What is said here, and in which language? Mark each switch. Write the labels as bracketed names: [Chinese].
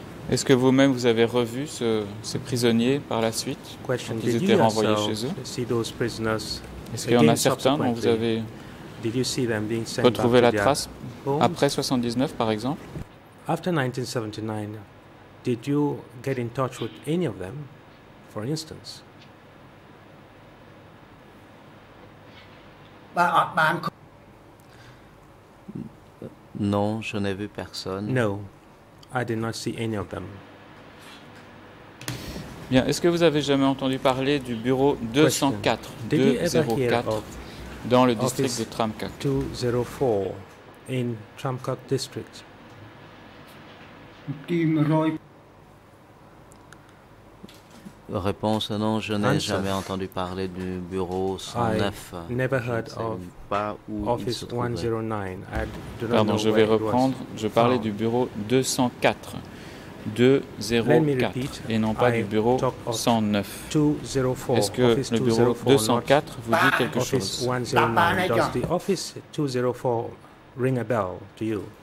[French] Est-ce que vous-même vous avez revu ces prisonniers par la suite quand ils étaient renvoyés chez eux? Est-ce qu'il y en a certains dont vous avez retrouvé la trace après 79 par exemple? [English] After 1979, did you get in touch with any of them, for instance? [French] Non, je n'ai vu personne. [English] No, I did not see any of them. [French] Bien, est-ce que vous avez jamais entendu parler du bureau 204, 204 dans le district de Tramkak? [English] 204 in Tramkak district. [French] Réponse non, je n'ai jamais entendu parler du bureau 109. [English] I never heard of office 109. [French] Pardon, je vais reprendre. Je parlais du bureau 204. 204 et non pas du bureau 109. Est-ce que le bureau 204 vous dit quelque chose? [English] Office 109. Does the office 204 ring a bell to you?